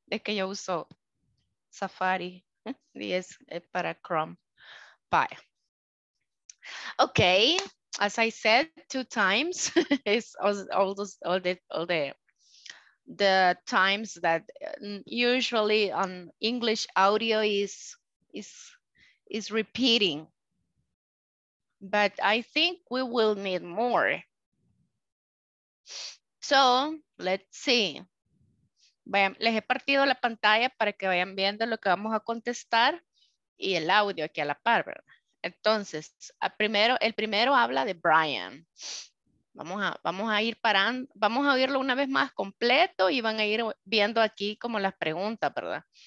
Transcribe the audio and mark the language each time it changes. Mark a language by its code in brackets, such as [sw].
[es] Es que yo uso Safari y es para Chrome. [en] Bye. Ok, as I said two times, it's all the times that usually on English audio is repeating, but I think we will need more. So let's see. [es] Vayan, les he partido la pantalla para que vayan viendo lo que vamos a contestar y el audio aquí a la par, ¿verdad? Entonces, el primero habla de Brian. Vamos a oírlo una vez más completo y van a ir viendo aquí como las preguntas, ¿verdad?